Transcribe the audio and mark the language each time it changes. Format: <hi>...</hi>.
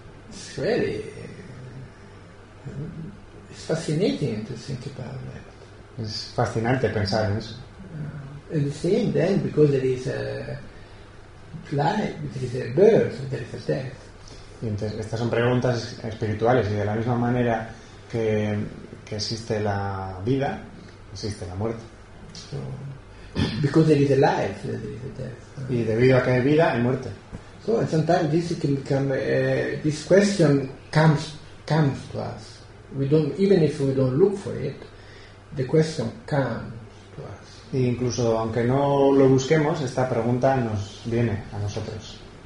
<en>Es really it's fascinating to think about that.</en> <es>Es fascinante pensar en eso.</es> <en>And the same then because there is a life, there is a birth, there is a death.</en> <es>Y entonces estas son preguntas espirituales y de la misma manera que existe la vida, existe la muerte.</es> <en>So, because there is a life, there is a death.</en> <es>Y debido a que hay vida, hay muerte.</es> <en>So, and sometimes this can become this question comes to us. We don't even if we don't look for it, the question comes to us.</en> <es>Y incluso aunque no lo busquemos, esta pregunta nos viene a nosotros.</es>